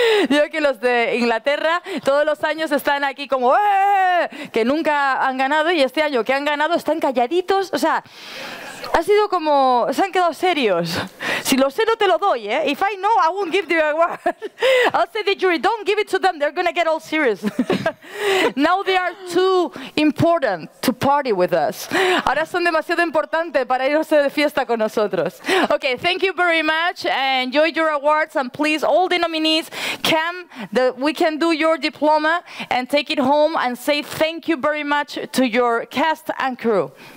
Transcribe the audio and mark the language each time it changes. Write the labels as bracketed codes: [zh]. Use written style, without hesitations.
[es] Yo que los de Inglaterra todos los años están aquí como que nunca han ganado, y este año que han ganado están calladitos. O sea, ha sido como se han quedado serios. Si lo sé, no te lo doy, eh. [en] If I know, I won't give the award. I'll say the jury, don't give it to them. They're gonna get all serious. Now they are too important to party with us. [es] Ahora son demasiado importantes para irse de fiesta con nosotros. [en] Okay, thank you very much. Enjoy your awards, and please, all the nominees, come that we can do your diploma and take it home and say thank you very much to your cast and crew.